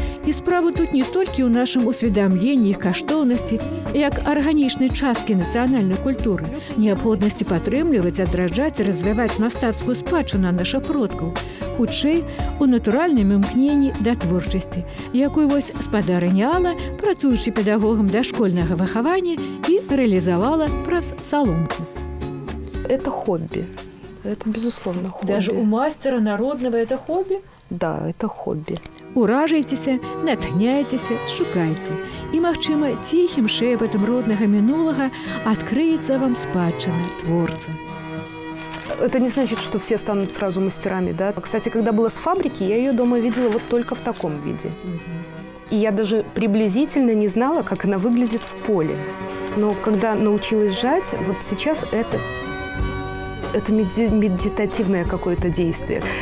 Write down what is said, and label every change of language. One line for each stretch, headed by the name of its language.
Belarusian: І справа тут не толькі ў нашым усведамленні іх каштоўнасці, як арганічнай часткі нацыянальнай культуры, неабходнасці падтрымліваць, адраджаць, развіваць мастацкую спадчыну нашых продкаў, хутчэй у натуральным імкненні да творчасці, якой вось спадарыня Алла, працуючы педагогам дашкольнага выхавання, і рэалізавала праз саломку.
Russian: Это хобби. Это безусловно хобби. Даже у мастера народного это хобби? Да, это хобби.
Belarusian: Уражайтеся, натхняйтеся, шукайте. І, магчыма, тихім шепотом роднага мінулага адкрыецца вам спадчына творца.
Russian: Это не значит, что все станут сразу мастерами, да? Кстати, когда была с фабрики, я ее дома видела вот только в таком виде. И я даже приблизительно не знала, как она выглядит в поле. Но когда научилась жать, вот сейчас это медитативное какое-то действие.